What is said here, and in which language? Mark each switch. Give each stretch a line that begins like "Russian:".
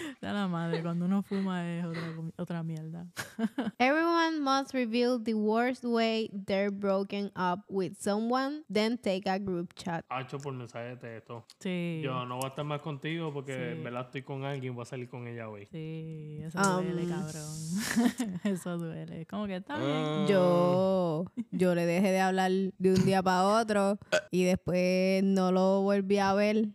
Spanish: De la madre, cuando uno fuma es otra mierda.
English: Everyone must reveal the worst way they're broken up with someone, then take a group chat.
Spanish: Hacho por mensaje de texto. Sí. Yo no voy a estar más contigo porque sí. Me la estoy con alguien, voy a salir con ella hoy. Sí, eso duele, cabrón. Eso duele. ¿Cómo que está bien? Yo le dejé de hablar de un día para otro y después no lo volví a ver.